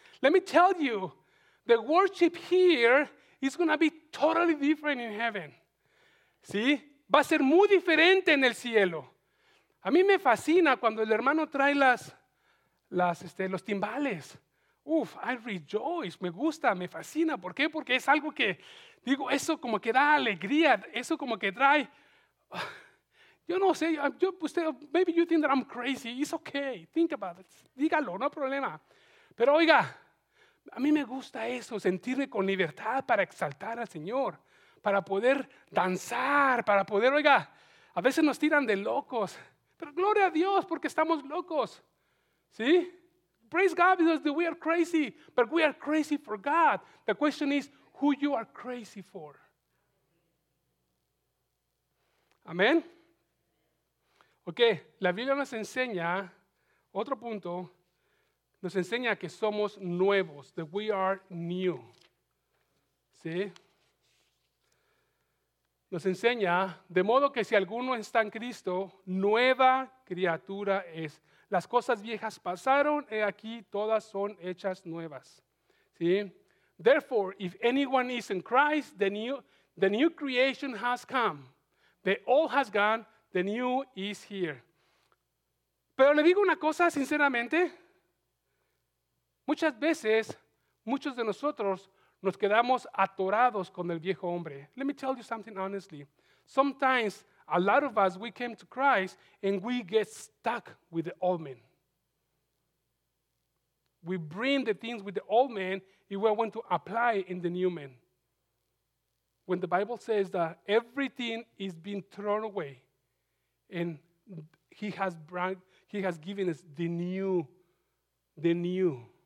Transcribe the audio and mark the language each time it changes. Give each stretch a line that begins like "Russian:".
English: Let me tell you, the worship here is going to be totally different in heaven.
Spanish: ¿Sí? Va a ser muy diferente en el cielo. A mí me fascina cuando el hermano trae los timbales. Uf,
English: I rejoice,
Spanish: me gusta, me fascina. ¿Por qué? Porque es algo que, digo, eso como que da alegría, eso como que trae, yo no sé,
English: maybe you think that I'm crazy, it's okay, think about it,
Spanish: dígalo, no hay problema. Pero oiga, a mí me gusta eso, sentirme con libertad para exaltar al Señor, para poder danzar, para poder, oiga, a veces nos tiran de locos, pero gloria a Dios porque estamos locos. ¿Sí?
English: Praise God because we are crazy, but we are crazy for God. The question is, who you are crazy for?
Spanish: Amén. Ok, la Biblia nos enseña, otro punto, nos enseña que somos nuevos,
English: that we are new.
Spanish: ¿Sí? Nos enseña, de modo que si alguno está en Cristo, nueva criatura es. Las cosas viejas pasaron, y aquí todas son hechas nuevas. ¿Sí?
English: Therefore, if anyone is in Christ, the new creation has come. The old has gone, the new is here.
Spanish: Pero le digo una cosa sinceramente. Muchas veces, muchos de nosotros nos quedamos atorados con el viejo hombre.
English: Let me tell you something honestly. Sometimes, a lot of us, we came to Christ and we get stuck with the old man. We bring the things with the old man and we want to apply in the new man. When the Bible says that everything is being thrown away and he has given us the new.